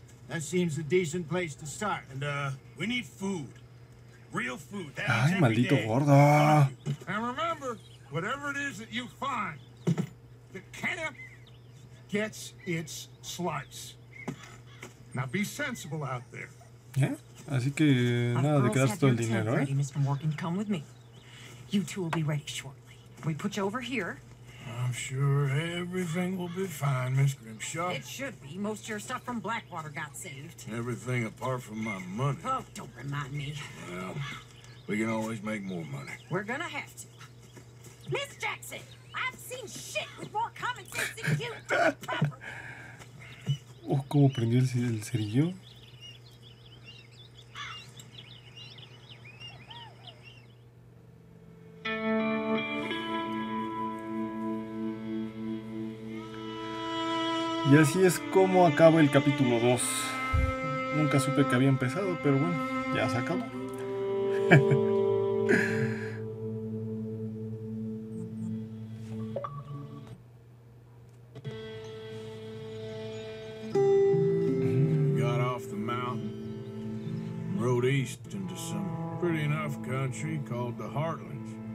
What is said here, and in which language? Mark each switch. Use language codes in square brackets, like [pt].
[en] That seems a decent place to start. And, we need food. Real food. That [es] ay, maldito gordo. [en] And remember, whatever it is that you find, the camp gets its slice. Now be sensible out there. Yeah? [es] Así que, nada, de quedarse todo el dinero, ¿eh? [en] Mr. Morgan, come with me. You two will be ready shortly. We put you over here. I'm sure everything will be fine, Miss Grimshaw. It should be. Most of your stuff from Blackwater got saved. Everything apart from my money. Oh, don't remind me. Well, we can always make more money. We're gonna have to. Miss Jackson, I've seen shit with more common sense than you. [es] Oh, ¿cómo prendió el cerillo? Y así es como acaba el capítulo 2. Nunca supe que había empezado, pero bueno, ya se acabó. [en] Got off the mountain, rode east into some pretty enough country called the Heartlands.